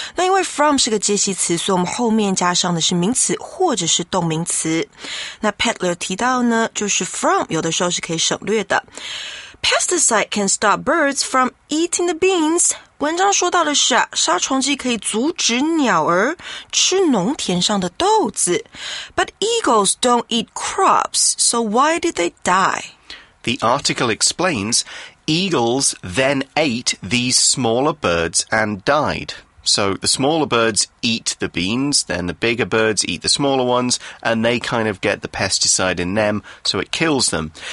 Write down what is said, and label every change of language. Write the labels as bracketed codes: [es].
[zh] 那因为 from 是个介系词，所以我们后面加上的是名词或者是动名词。那 Petler 提到呢，就是 from 有的时候是可以省略的。 [en] Pesticide can stop birds from eating the beans. [zh] 文章说到的是啊，杀虫剂可以阻止鸟儿吃农田上的豆子。 [en] But eagles don't eat crops, so why did they die? The article explains, eagles then ate these smaller birds and died. So the smaller birds eat the beans, then the bigger birds eat the smaller ones, and they kind of get the pesticide in them, so it kills them.